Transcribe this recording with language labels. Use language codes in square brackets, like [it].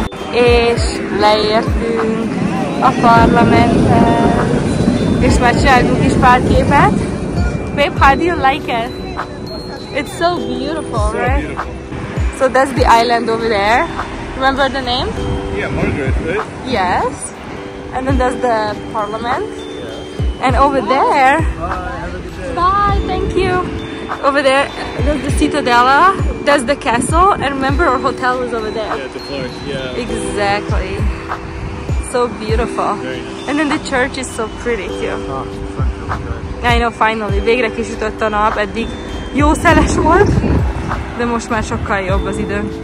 [hu] És leértünk a parlamenthez, és már csináltunk is pár képet. [en] Babe, how do you like it? It's so beautiful, so right? Beautiful. So that's the island over there. Remember the name? Yeah, Margaret, right? Yes. And then there's the parliament. Yeah. And over there... Bye, have a good day. Bye, thank you. Over there, there's the Cittadella, there's the castle, and remember our hotel was over there. Yeah, the park, yeah. Exactly. So beautiful. Very nice. And then the church is so pretty too. Oh, fuck, I know, finally. [hu] Végre kisütött a nap, eddig jó szeles volt, de most már sokkal jobb az idő.